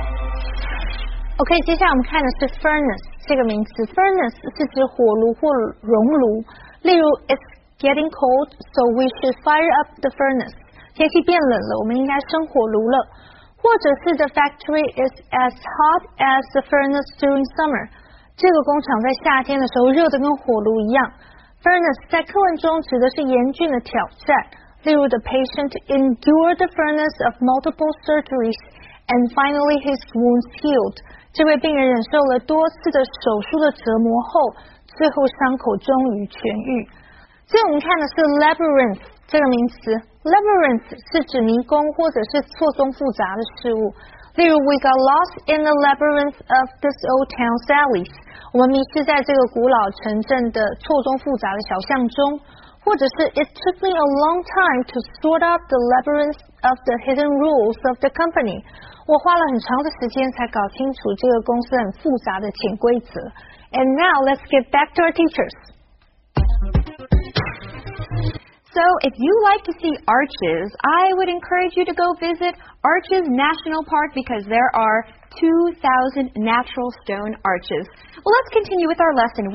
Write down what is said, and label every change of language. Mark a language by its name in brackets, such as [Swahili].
[Chinese] OK, 接下来我们看的是 furnace 这个名词。 [English] furnace [Chinese] 是指火炉或熔炉， [English] 例如 It's getting cold, so we should fire up the furnace. [Chinese] 天气变冷了，我们应该生火炉了。 [English] 或者是 The factory is as hot as the furnace during summer. [Chinese] 这个工厂在夏天的时候热得跟火炉一样。 [English] furnace [Chinese] 在课文中指的是严峻的挑战， [English] 例如 The patient endured the furnace of multiple surgeries, and finally his wounds healed. [Chinese] 这位病人忍受了多次的手术的折磨后，最后伤口终于痊愈。所以我们看的是 labyrinth 这个名词。labyrinth 是指迷宫或者是错综复杂的事物。 [English] 例如 ，We got lost in the labyrinth of this old town, Sally's。 [Chinese] 我们迷失在这个古老城镇的错综复杂的小巷中。 [English] 或者是 ，It took me a long time to sort out the labyrinth of the hidden rules of the company。 [Chinese] 我花了很长的时间才搞清楚这个公司很复杂的潜规则。 [English] And now let's get back to our teachers. So if you like to see arches, I would encourage you to go visit Arches National Park because there are 2,000 natural stone arches. Well, let's continue with our lesson.